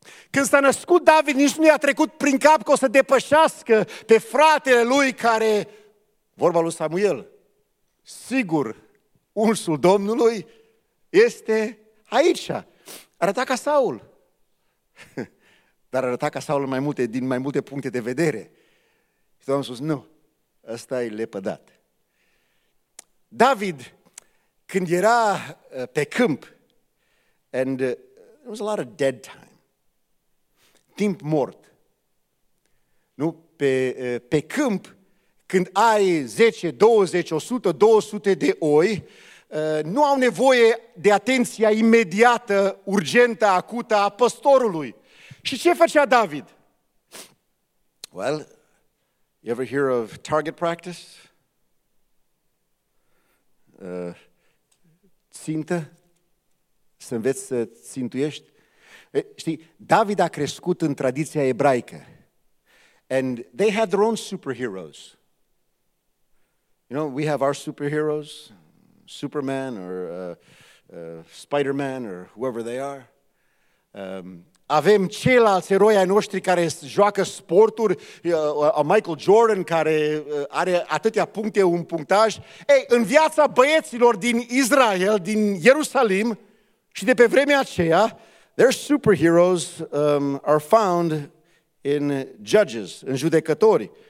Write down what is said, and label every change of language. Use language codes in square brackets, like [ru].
[ro] Când s-a născut David, nici nu i-a trecut prin cap că o să depășească pe fratele lui care, vorba lui Samuel, sigur, unsul Domnului este aici. Arăta ca Saul. Dar arăta ca Saul din mai multe puncte de vedere. Și Domnul a spus, nu, ăsta e lepădat. David, când era pe câmp, [en] and there was a lot of dead time, [ro] timp mort, nu? Pe câmp, când ai 10, 20, 100, 200 de oi, nu au nevoie de atenția imediată, urgentă, acută a păstorului. Și ce făcea David? [en] Well, you ever hear of target practice? [ro] Țintă? Să înveți să țintuiești? Știi, David a crescut în tradiția ebraică. [en] And they had their own superheroes. You know, we have our superheroes, Superman or Spider-Man or whoever they are. [ro] Avem ceilalți eroi ai noștri care joacă sporturi, Michael Jordan care are atâtea puncte, un punctaj. Ei, în viața băieților din Israel, din Ierusalim și de pe vremea aceea, [en] their superheroes are found in judges, [ro] în judecători.